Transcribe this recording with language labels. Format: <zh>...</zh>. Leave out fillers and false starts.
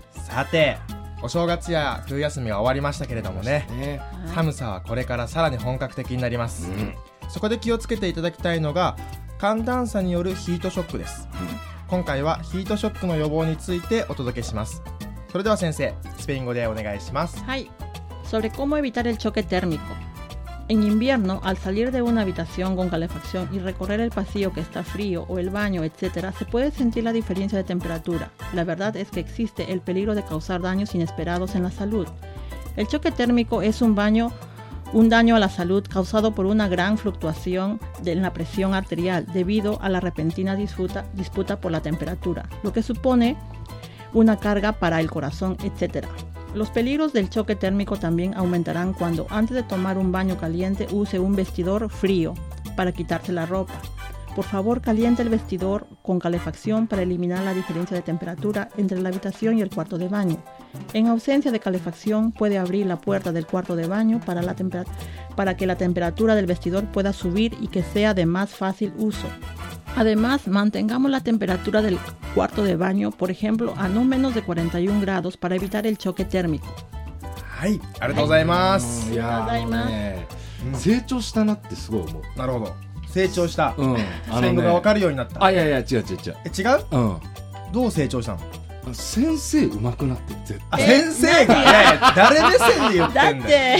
<ja>さてお正月や冬休みは終わりましたけれども ね、はい、寒さはこれからさらに本格的になります、うん、そこで気をつけていただきたいのが寒暖差によるヒートショックです、うん、今回はヒートショックの予防についてお届けします。それでは先生スペイン語でお願いします。はい。</ja> <es>Sobre cómo evitar el choque térmico. En invierno, al salir de una habitación con calefacción y recorrer el pasillo que está frío o el baño, etc., se puede sentir la diferencia de temperatura. La verdad es que existe el peligro de causar daños inesperados en la salud. El choque térmico es un daño a la salud causado por una gran fluctuación en la presión arterial debido a la repentina disputa por la temperatura, lo que supone una carga para el corazón, etc. Los peligros del choque térmico también aumentarán cuando antes de tomar un baño caliente use un vestidor frío para quitarse la ropa. Por favor, caliente el vestidor con calefacción para eliminar la diferencia de temperatura entre la habitación y el cuarto de baño. En ausencia de calefacción, puede abrir la puerta del cuarto de baño para que la temperatura del vestidor pueda subir y que sea de más fácil uso. Además, mantengamos la temperatura del cuarto de baño, por ejemplo, a no menos de 41 grados para evitar el choque térmico.</es> <ja>はい、ありがとうございます。ありがとうございます。成長したなってすごい思う。なるほど。成長した。うん。スペイン語が分かるようになった。あ、いやいや、違う。え、違う？うん。どう成長したの？先生上手くなって絶対先生が、ね、誰目線で言ってんだ</ja>